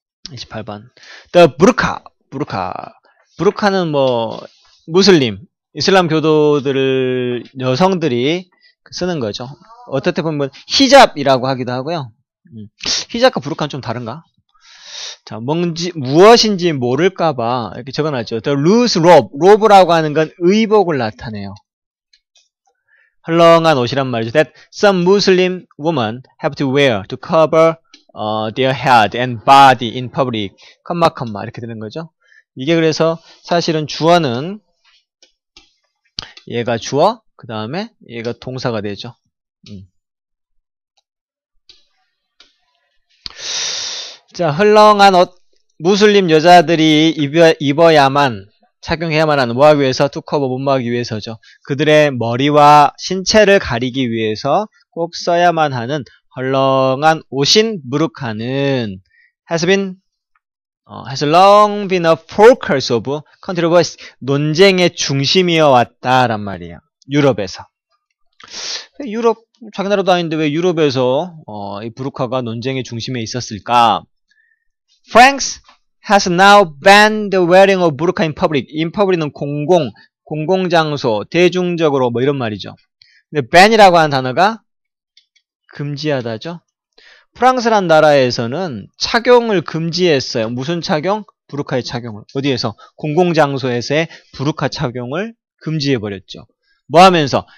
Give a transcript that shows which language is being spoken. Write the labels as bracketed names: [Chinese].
[Korean] 28번. 더 부르카. 부르카. 부르카는 뭐 무슬림, 이슬람 교도들 여성들이 쓰는 거죠. 어떻게 보면 히잡이라고 하기도 하고요. 히잡과 부르카는 좀 다른가? 자, 뭔지 무엇인지 모를까 봐 이렇게 적어 놨죠. [English] The loose robe. [Korean] 로브라고 하는 건 의복을 나타내요. 헐렁한 옷이란 말이죠. [English] That some Muslim woman have to wear to cover their head and body in public. [Korean] 컴마 컴마 이렇게 되는 거죠. 이게 그래서 사실은 주어는 얘가 주어, 그 다음에 얘가 동사가 되죠. 자, 헐렁한 옷, 무슬림 여자들이 입어야만, 착용해야만 하는, 뭐 하기 위해서, 투커버 못 막기 위해서죠. 그들의 머리와 신체를 가리기 위해서 꼭 써야만 하는 헐렁한 옷인 무르카는 [English] has long been a focus of controversy. [Korean] 논쟁의 중심이어 왔다, 란 말이에요. 유럽에서. 유럽, 자기 나라도 아닌데 왜 유럽에서, 이 부르카가 논쟁의 중심에 있었을까? [English] France has now banned the wearing of burqa in public. In public [Korean] 은 공공, 공공장소, 대중적으로, 뭐 이런 말이죠. 근데 ban이라고 하는 단어가 금지하다죠. 프랑스란 나라에서는 착용을 금지했어요. 무슨 착용? 부르카의 착용을. 어디에서? 공공장소에서의 부르카 착용을 금지해버렸죠. 뭐 하면서?